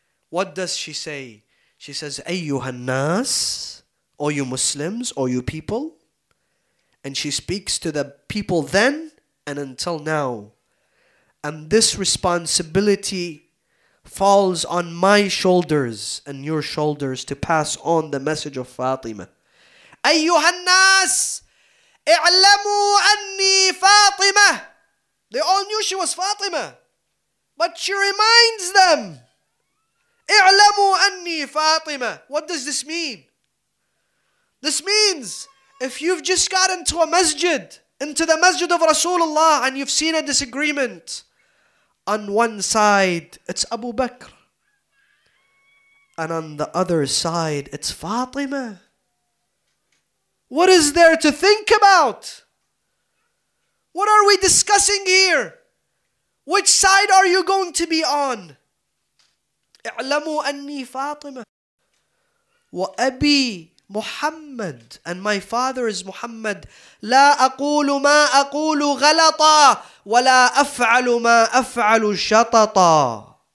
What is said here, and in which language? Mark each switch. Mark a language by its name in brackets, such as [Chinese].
[English] What does she say? She says, "Ayyuhan nas, O you Muslims, O you people." And she speaks to the people then and until now. And this responsibility falls on my shoulders and your shoulders to pass on the message of Fatima. [Arabic] "Ayyuhan nas, اعلموا أني فاطمة." [English] They all knew she was Fatima. But she reminds them. [Arabic] اعلموا أني فاطمة. [English] What does this mean? This means if you've just got into a masjid, into the masjid of Rasulullah, and you've seen a disagreement, on one side it's Abu Bakr, and on the other side it's Fatima. What is there to think about? What are we discussing here? Which side are you going to be on? [Arabic] اعلموا أني فاطمة وأبي محمد. [English] And my father is Muhammad. [Arabic] لا أقول ما أقول غلطا ولا أفعل ما أفعل شططا.